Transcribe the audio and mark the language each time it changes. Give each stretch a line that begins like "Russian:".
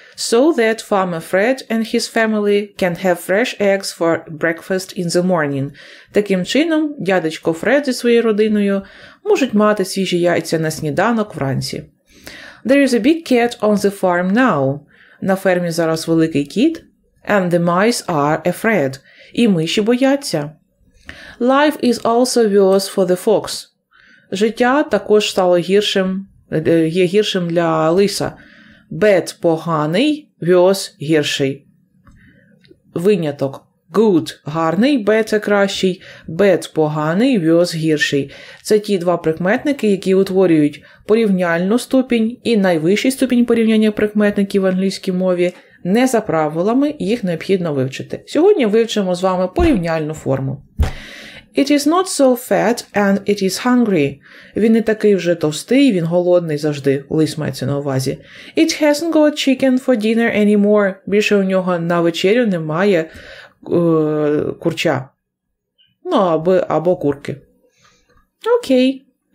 English: So that farmer Fred and his family can have fresh eggs for breakfast in the morning.
Ukrainian: Таким чином, дядечко Фред зі своєю родиною можуть мати свіжі яйця на сніданок вранці.
English: There is a big cat on the farm now.
Ukrainian: На фермі зараз великий кіт.
English: And the mice are afraid.
Ukrainian: І миші бояться.
English: Life is also worse for the fox.
Ukrainian: Життя також стало гіршим, є гіршим для лиса. Bad – поганий, worse – гірший. Виняток. Good – гарний, better – кращий. Bad – поганий, worse – гірший. Це ті два прикметники, які утворюють порівняльну ступінь і найвищий ступінь порівняння прикметників в англійській мові. Не за правилами, їх необхідно вивчити. Сьогодні вивчимо з вами порівняльну форму.
English: It is not so fat and it is hungry.
Ukrainian: Він не такий вже товстий, він голодний завжди, лис мається на увазі.
English: It hasn't got chicken for dinner anymore.
Ukrainian: Більше у нього на вечерю немає курча. Ну, або курки. Окей.